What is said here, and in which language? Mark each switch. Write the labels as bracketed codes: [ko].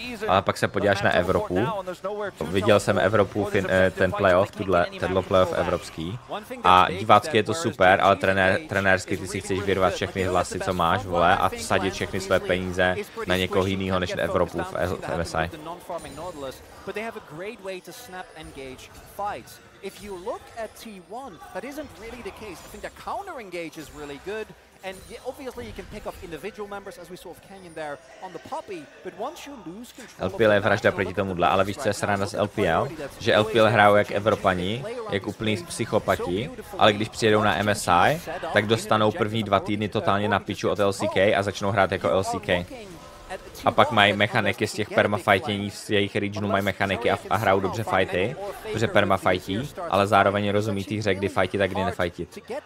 [cs] Ale pak se podíváš na Evropu, viděl jsem Evropu, ten playoff, tenhle playoff evropský, a divácky je to super, ale trenérsky ty si chceš vyrvat všechny hlasy, co máš, vole, a vsadit všechny své peníze na někoho jiného než Evropu v MSI. [en] But they have a great way to snap engage fights. If you look at T1, that isn't really the case. I think the counter engage is really good, and obviously you can pick up individual members as we saw of Canyon there on the poppy, but once you lose control. [cs] LPL je vražda proti tomuhle, ale víš, co je sranda z LPL, že LPL hrajou jak Evropani, jak úplný psychopati, ale když přijedou na MSI, tak dostanou první dva týdny totálně na piču od LCK a začnou hrát jako LCK. A pak mají mechaniky z těch permafightění, z jejich regionu mají mechaniky a hrajou dobře fighty, protože permafightí, ale zároveň rozumí té hře, kdy fightit a kdy nefightit.